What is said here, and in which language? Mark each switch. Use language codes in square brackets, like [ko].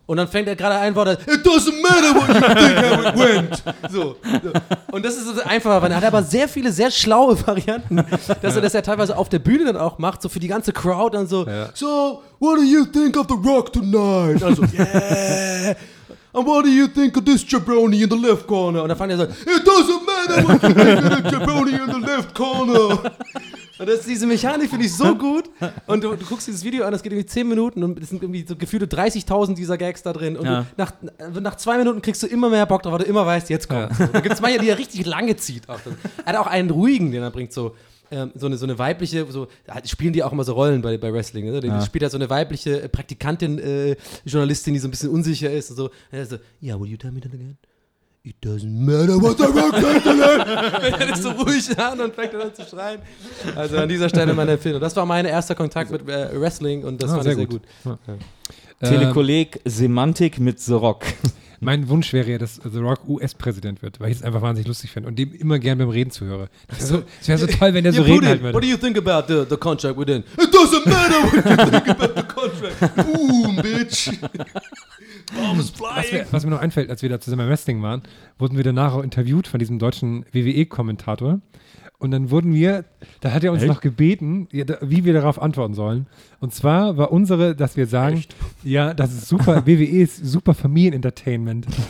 [de] Und dann fängt er gerade ein Wort an, [en] it doesn't matter what you think how it went. So. [de] Und das ist einfacher, weil er hat aber sehr viele sehr schlaue Varianten, dass er das ja teilweise auf der Bühne dann auch macht, so für die ganze Crowd dann so, [en] so, what do you think of The Rock tonight? [de] Also, yeah. [en] And what do you think of this jabroni in the left corner? [de] Und dann fand er so, [en] it doesn't matter what you think of the jabroni in the left corner. [de] Und das, diese Mechanik finde ich so gut. Und du guckst dieses Video an, das geht irgendwie 10 Minuten und es sind irgendwie so gefühlte 30.000 dieser Gags da drin. Und nach 2 Minuten kriegst du immer mehr Bock drauf, weil du immer weißt, jetzt kommt. Da gibt es manche, die er richtig lange zieht. Er hat auch einen ruhigen, den er bringt, so. So eine weibliche, so spielen die auch immer so Rollen bei Wrestling, ne? Spielt da so eine weibliche Praktikantin, Journalistin, die so ein bisschen unsicher ist und so. [en] Ja, so, yeah, will you tell me that again? It doesn't matter what the rock said to me. [de] Er ist so ruhig an und fängt dann zu schreien. Also an dieser Stelle meine Empfehlung. Das war mein erster Kontakt mit Wrestling und das fand ich sehr gut. Ja. Telekolleg Semantik mit The Rock. Mein Wunsch wäre ja, dass The Rock US-Präsident wird, weil ich es einfach wahnsinnig lustig finde und dem immer gern beim Reden zuhöre. Es wäre so toll, wenn der so reden halten würde. [en] What do you think about the contract within? It doesn't matter what you think about the contract. Boom, bitch. Bombs flying. [de] Was mir noch einfällt, als wir da zusammen im Wrestling waren, wurden wir danach auch interviewt von diesem deutschen WWE-Kommentator. Und dann wurden wir, da hat er uns noch gebeten, wie wir darauf antworten sollen. Und zwar war unsere, dass wir sagen, ja, das ist super, WWE ist super Familienentertainment.